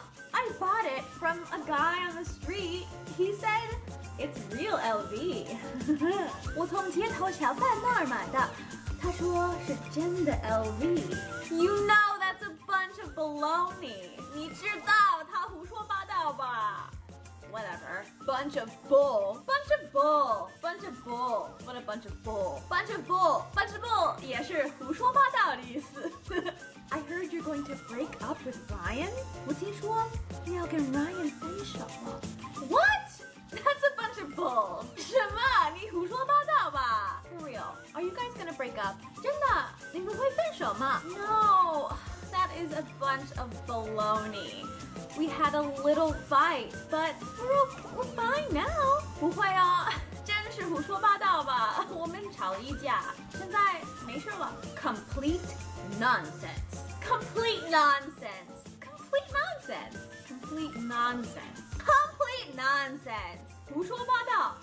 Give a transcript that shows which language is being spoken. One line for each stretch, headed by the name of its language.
English: I bought it from a guy on the street. He said it's real LV.
Chinese: 我从街头小贩那儿买的，他说是真的 LV.
English: You know that's a bunch of baloney.
Chinese: 你知道他胡说八道吧。
English: Whatever. Bunch of bull. Bunch of bull. Bunch of bull. What a bunch of bull. Bunch of bull. Bunch of bull.
Chinese: 也是胡说八道的意思。
English: I heard you're going to break up with Ryan.
Chinese: 我听说你要跟 Ryan 分手了。
English: What? That's a bunch of bull.
Chinese: 什么？你胡说八道吧。
English: For real. Are you guys going to break up?
Chinese: 真的？你们会分手吗？
English: No. That is a bunch of baloney. We had a little fight, but we're fine now.
Chinese: 不会啊，真是胡说八道吧。我们吵了一架，现在没事了。
English: Complete nonsense. Complete nonsense. Complete nonsense. Complete nonsense. Complete nonsense.
Chinese: 胡说八道。